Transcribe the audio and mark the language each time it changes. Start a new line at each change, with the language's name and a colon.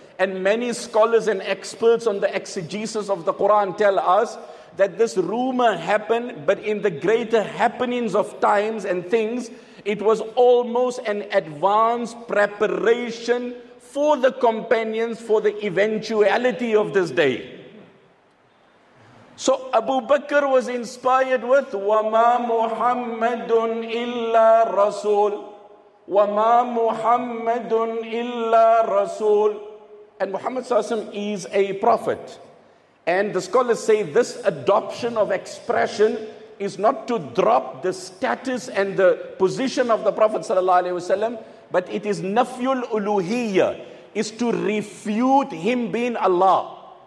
English: And many scholars and experts on the exegesis of the Quran tell us that this rumor happened, but in the greater happenings of times and things, it was almost an advanced preparation for the companions for the eventuality of this day. So Abu Bakr was inspired with
Arabic: وَمَا مُحَمَّدٌ إِلَّا رَسُولٌ وَمَا مُحَمَّدٌ إِلَّا رَسُولٌ.
English: And Muhammad Sallallahu Alaihi Wasallam is a prophet. And the scholars say this adoption of expression is not to drop the status and the position of the Prophet Sallallahu Alaihi Wasallam, but it is nafyul uluhiyya, is to refute him being Allah.